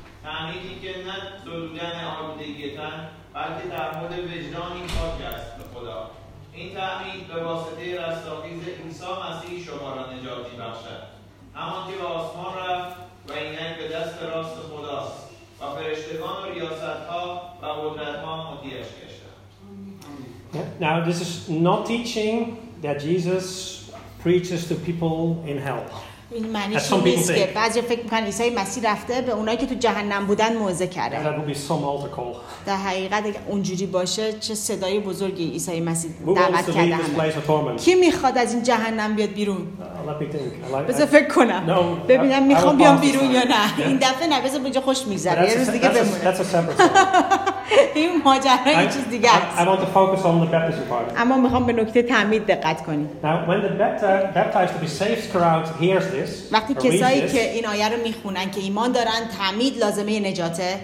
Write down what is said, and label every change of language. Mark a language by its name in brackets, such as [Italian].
[Persian] تعمیدی که نه سرودن آلودگیتن بلکه تعمد وجدانی پاک است به خدا. این تعمید به واسطه رستاخیز عیسی مسیح شما را نجاتی بخشد، همان که به آسمان رفت و اینک به دست راست خداست و فرشتگان و ریاست ها و قدرت ها مطیعش گشتند. [English] Now this is not teaching that Jesus preaches to people in hell. [Persian] این معنیش این نیست که بعضی فکر میکنن عیسی مسیح رفته به اونایی که تو جهنم بودن موعظه کرده. در حقیقت اگه اونجوری باشه چه صدای بزرگی عیسی مسیح دعوت کرده همه. کی میخواد از این جهنم بیاد بیرون؟ بذار فکر کنم. ببینم میخوام بیام بیرون یا نه. این دفعه نه، بذار بجا خوش میگذره. یه روز دیگه بمونه. این ماجرا یه چیز دیگه است. [English] I want to focus on the baptism part. [Persian] اما میخوام به نکته تعمید دقت کنی. [English] Now when the baptized to be saved crowd hears this. [Persian] وقتی کسایی که این آیه رو میخونن که ایمان دارن تعمید لازمه نجاته.